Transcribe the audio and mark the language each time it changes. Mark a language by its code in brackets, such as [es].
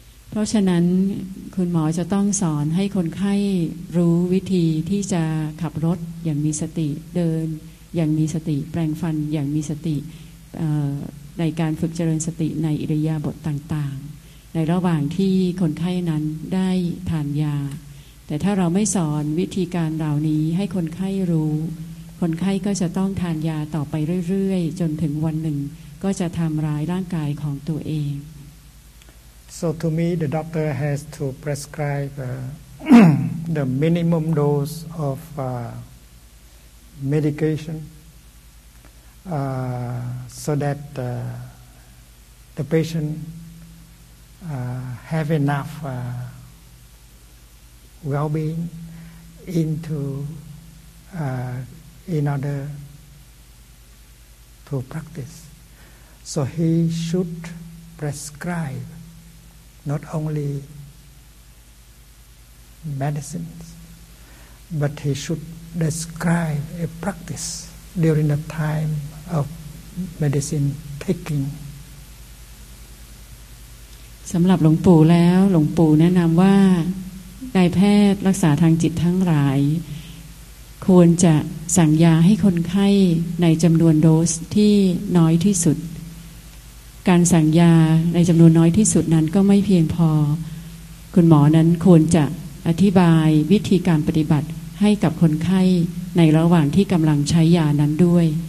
[th] เพราะฉะนั้นคุณหมอจะต้องสอนให้คนไข้รู้วิธีที่จะขับรถอย่างมีสติเดินอย่างมีสติแปรงฟันอย่างมีสติในการฝึกเจริญสติในอิริยาบถต่างๆในระหว่างที่คนไข้นั้นได้ทานยาแต่ถ้าเราไม่สอนวิธีการเหล่านี้ให้คนไข้รู้คนไข้ก็จะต้องทานยาต่อไปเรื่อยๆจนถึงวันหนึ่งก็จะทำร้ายร่างกายของตัวเอง [en] So to me the doctor has to prescribe the minimum dose of medication so that the patient have enough well-being in order to practice. So he should prescribe not only medicines, but he shouldDescribe a practice during the time of medicine taking. [th] สำหรับหลวงปู่แล้วหลวงปู่แนะนำว่านายแพทย์รักษาทางจิตทั้งหลายควรจะสั่งยาให้คนไข้ในจำนวนโดสที่น้อยที่สุดการสั่งยาในจำนวนน้อยที่สุดนั้นก็ไม่เพียงพอคุณหมอนั้นควรจะอธิบายวิธีการปฏิบัติให้กับคนไข้ในระหว่างที่กำลังใช้ยานั้นด้วย